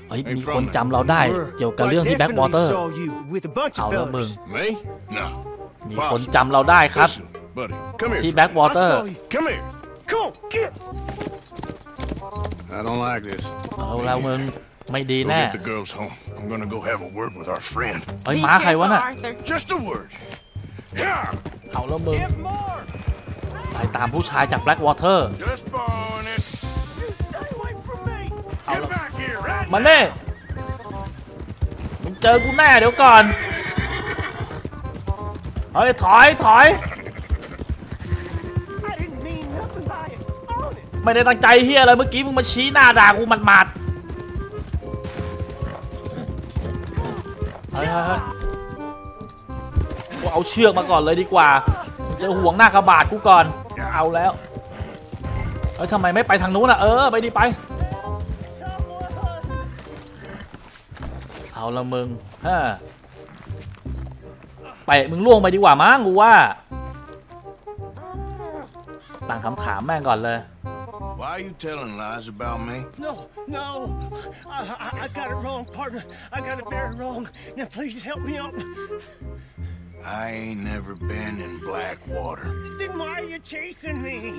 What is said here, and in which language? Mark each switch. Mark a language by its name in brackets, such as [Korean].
[Thai] เฮ้ยมีคนจำเราได้เกี่ยวกับเรื่องที่แบ็กวอเตอร์เอาละมึง ไม่ [English] No [Thai] มีคนจำเราได้ครับที่แบ็กวอเตอร์ [English] Come here Come get I don't like this [Thai] เอาละมึงไม่ดีแน่ [English] I'm going to go have a word with our friend. [Thai] เฮ้ยมาใครวะน่ะ [English] Just a word. [Thai] เอาละมึงไปตามผู้ชายจาก Blackwater. [English] Just on it. Get back here right now. [Thai] มาเน่มึงเจอกูแน่เดี๋ยวก่อนเฮ้ยถอยไม่ได้ตั้งใจเหี้ยอะไรเมื่อกี้มึงมาชี้หน้าด่ากูหมาดๆ กูเอาเชือกมาก่อนเลยดีกว่าจะห่วงหน้ากระบาดกูก่อนเอาแล้วเฮ้ยทำไมไม่ไปทางนู้นอ่ะเออไปดิไปเอาละมึงฮะไปมึงล่วงไปดีกว่ามั้งกูว่าตั้งคำถามแม่งก่อนเลย [English] Why are you telling lies about me? No. I got it wrong, partner. I got it very wrong. Now please help me out. I ain't never been in Blackwater. Then why are you chasing me?